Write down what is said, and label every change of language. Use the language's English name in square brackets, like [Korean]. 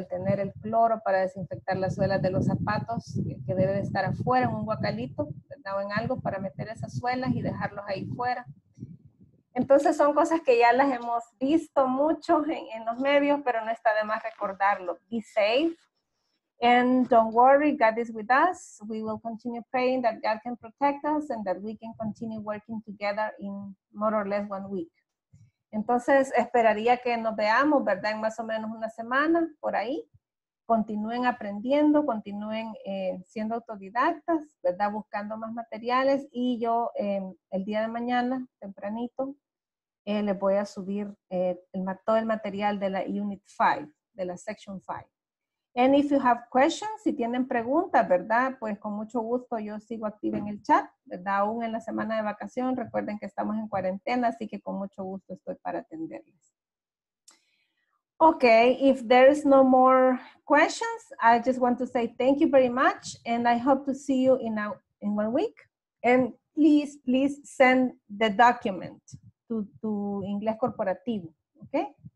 [Spanish] El tener el cloro para desinfectar las suelas de los zapatos, que debe de estar afuera en un guacalito, ¿verdad? O en algo para meter esas suelas y dejarlos ahí fuera. Entonces son cosas que ya las hemos visto mucho en los medios, pero no está de más recordarlo. [English] Be safe. And don't worry, God is with us. We will continue praying that God can protect us and that we can continue working together in more or less 1 week. [Spanish] Entonces, esperaría que nos veamos, ¿verdad? En más o menos una semana, por ahí. Continúen aprendiendo, continúen siendo autodidactas, ¿verdad? Buscando más materiales. Y yo, el día de mañana, tempranito, les voy a subir todo el material de la Unit 5, de la Section 5. [English] And if you have questions, [Spanish] si tienen preguntas, ¿verdad? Pues con mucho gusto yo sigo activa en el chat, ¿verdad? Aún en la semana de vacación, recuerden que estamos en cuarentena, así que con mucho gusto estoy para atenderles. [English] Okay, if there is no more questions, I just want to say thank you very much and I hope to see you in 1 week. And please, please send the document to Inglés Corporativo, okay?